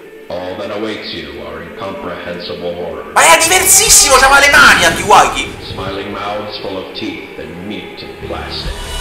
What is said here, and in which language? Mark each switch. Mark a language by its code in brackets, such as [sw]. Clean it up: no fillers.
[en] All that awaits you are incomprehensible horror. [it] Ma è diversissimo, c'ha le mani a Kiwaki! [en] Smiling mouths full of teeth and meat and plastic.